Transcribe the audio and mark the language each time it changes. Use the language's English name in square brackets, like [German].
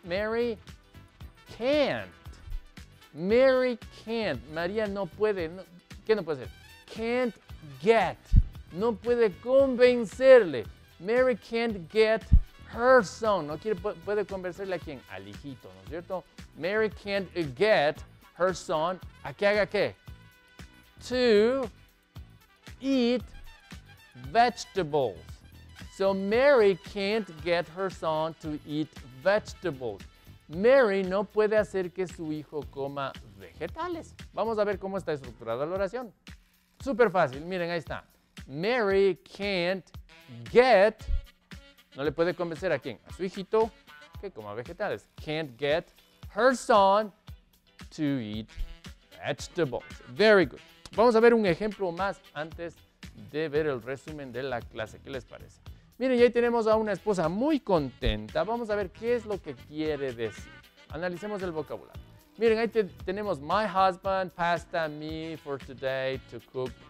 [English] Mary can't. Mary can't. [Spanish] María no puede. No, ¿qué no puede hacer? [English] Can't get. [Spanish] No puede convencerle. [English] Mary can't get her son. [Spanish] No quiere, puede convencerle a quién, al hijito, ¿no es cierto? [English] Mary can't get her son [Spanish] a que haga qué, [English] to eat vegetables. So Mary can't get her son to eat vegetables. [Spanish] Mary no puede hacer que su hijo coma vegetales. Vamos a ver cómo está estructurada la oración. Súper fácil, miren, ahí está. [English] Mary can't get, [Spanish] no le puede convencer a quién, a su hijito, que coma vegetales. [English] Can't get her son to eat vegetables. Very good. [Spanish] Vamos a ver un ejemplo más antes de ver el resumen de la clase. ¿Qué les parece? Miren, ya tenemos a una esposa muy contenta. Vamos a ver qué es lo que quiere decir. Analicemos el vocabulario. Miren, ahí tenemos [English] my husband passed on me for today to cook.